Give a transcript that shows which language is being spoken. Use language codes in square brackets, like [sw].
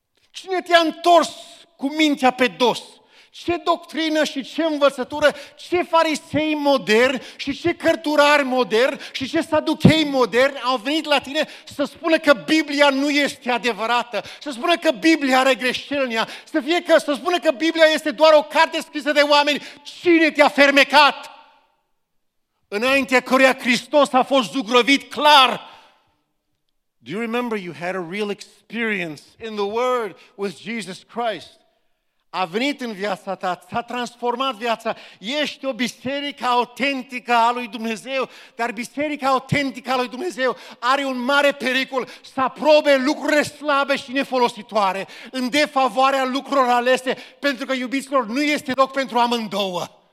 [ro] Cine te-a întors cu mintea pe dos? Ce doctrină și ce învățătură, ce farisei moderni și ce cărturari moderni și ce saduchei moderni au venit la tine să spună că Biblia nu este adevărată, să spună că Biblia are greșeli, să spună că Biblia este doar o carte scrisă de oameni. Cine te-a fermecat? Înaintea căruia Hristos a fost zugrăvit clar. [en] Do you remember you had a real experience in the Word with Jesus Christ? [ro] A venit în viața ta, s-a transformat viața. Ești o biserică autentică a lui Dumnezeu, dar biserica autentică a lui Dumnezeu are un mare pericol să aprobe lucrurile slabe și nefolositoare în defavoarea lucrurilor alese, pentru că, iubiților, nu este loc pentru amândouă.